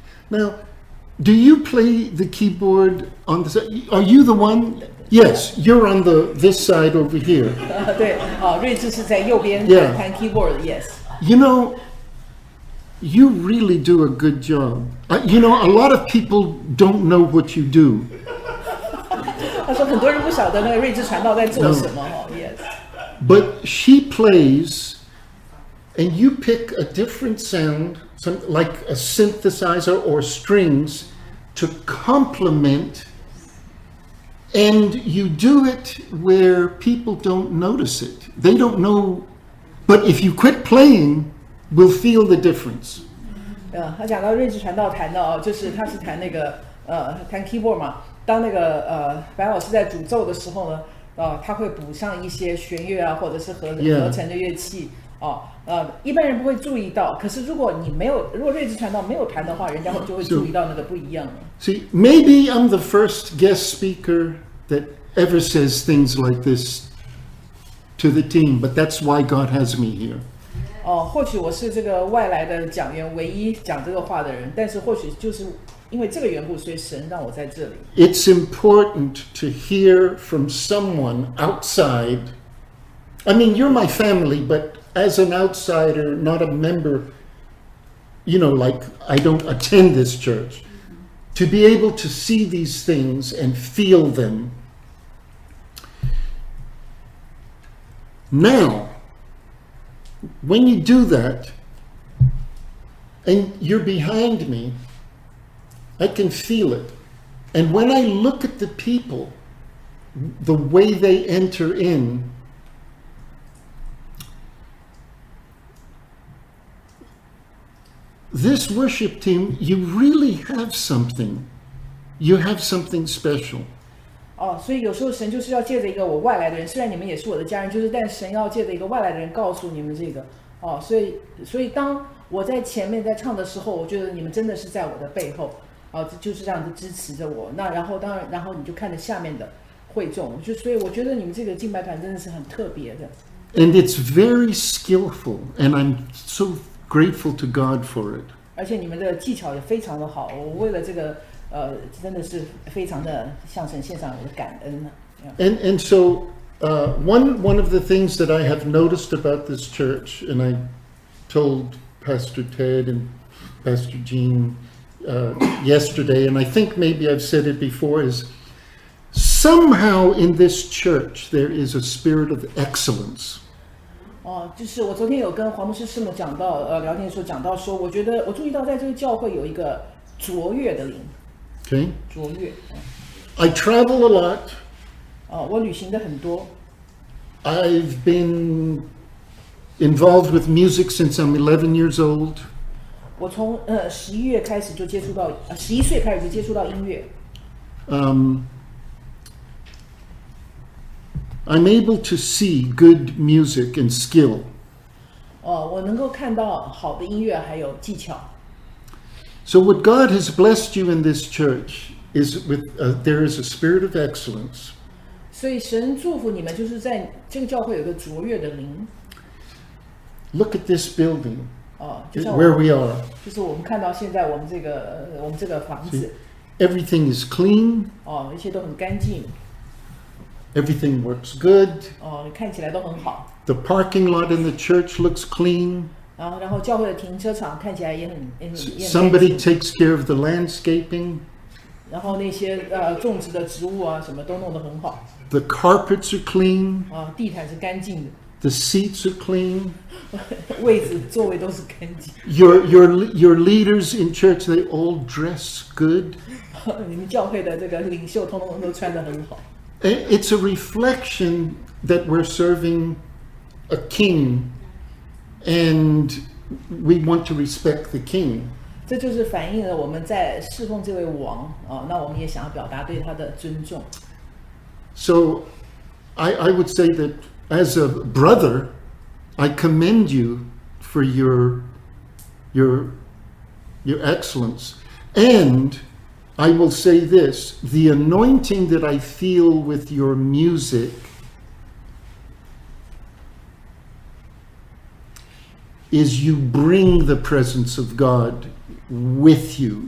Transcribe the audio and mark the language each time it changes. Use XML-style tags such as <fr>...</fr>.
<en>Now, do you play the keyboard on the side? Are you the one? Yes, you're on the this side over here.</en> <zh>对，瑞智是在右边弹 keyboard.</zh> <en>Yes. You know, you really do a good job. You know, a lot of people don't know what you do.</en> <zh>他说很多人不晓得那个睿智传道在做什么。</zh> <en>No. Yes. But she plays, and you pick a different sound, some, like a synthesizer or strings, to complement, and you do it where people don't notice it. They don't know, but if you quit playing, we'll feel the difference.</en> <zh>他讲到认知传道谈的哦，就是他是谈那个弹 keyboard 嘛，当那个白老师在主奏的时候呢，他会补上一些弦乐啊，或者是合成的乐器。一般人不会注意到，可是如果你没有，如果睿智传道没有谈的话，人家就会注意到那个不一样了。</zh> <en>So, see, maybe I'm the first guest speaker that ever says things like this to the team, but that's why God has me here.</en> <zh>或许我是这个外来的讲员，唯一讲这个话的人，但是或许就是因为这个缘故，所以神让我在这里。</zh> <en>It's important to hear from someone outside. I mean, you're my family, but as an outsider, not a member, you know, like I don't attend this church, to be able to see these things and feel them. Now, when you do that, and you're behind me, I can feel it. And when I look at the people, the way they enter in,This worship team, you really have something. You have something special.</en> <zh>所以有时候神就是要借着一个我外来的人，虽然你们也是我的家人，就是但神要借着一个外来的人告诉你们这个。所以当我在前面在唱的时候，我觉得你们真的是在我的背后，就是这样子支持着我。那然后当然，然后你就看着下面的会众，就所以我觉得你们这个敬拜团真的是很特别的。</zh> <en>And it's very skillful, and I'm so. Grateful to God for it.</en> <zh>而且你们的技巧也非常的好，我为了这个，真的是非常的向神献上我的感恩呢。</zh> <en>And so, one of the things that I have noticed about this church, and I told Pastor Ted and Pastor Jean yesterday, and I think maybe I've said it before, is somehow in this church there is a spirit of excellence.</en> <zh>就是我昨天有跟黄牧师师母讲到聊天的时候讲到说我觉得我注意到在这个教会有一个卓越的灵</zh> <en>OK</en> <zh>卓越</zh> <en>I travel a lot</en> <zh>我旅行的很多</zh> <en>I've been involved with music since I'm 11 years old</en> <zh>我从11岁开始就接触到音乐</zh> <en>I'm able to see good music and skill.</en> <zh>我能够看到好的音乐还有技巧。</zh> <en>So what God has blessed you in this church is with, there is a spirit of excellence.</en> <zh>所以神祝福你们就是在这个教会有个卓越的灵。</zh> <en>Look at this building,</en> <zh>就像</zh> <en>where we are.</en> <zh>就是我们看到现在我们这个房子。</zh> <en>Everything is clean.</en> <zh>一切都很干净。</zh> <en>Everything works good.</en> <zh>看起来都很好。</zh> <en>The parking lot in the church looks clean.</en> <zh>然后教会的停车场看起来也很干净。</zh> <en>Somebody takes care of the landscaping.</en> <zh>然后那些种植的植物啊，什么都弄得很好。</zh> <en>The carpets are clean.</en> <zh>地毯是干净的。</zh> <en>The seats are clean.</en> <zh>位置座位都是干净。</zh> <en>Your leaders in church, they all dress good.</en> <zh>你们教会的这个领袖通通都穿得很好。</zh> <en>It's a reflection that we're serving a king, and we want to respect the king.</en> <zh>这就是反映了我们在侍奉这位王那我们也想要表达对他的尊重。</zh> <en>So, I would say that as a brother, I commend you for your excellence, and. I will say this, the anointing that I feel with your music is you bring the presence of God with you.</en>